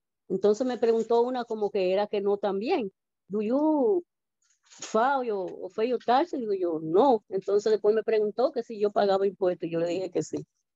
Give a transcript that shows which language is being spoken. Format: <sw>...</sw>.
<es>Entonces me preguntó una como que era que no también.</es> <en>Do you file o pay your taxes?</en> <es>Digo yo, no. Entonces después me preguntó que si yo pagaba impuestos. Yo le dije que sí.</es>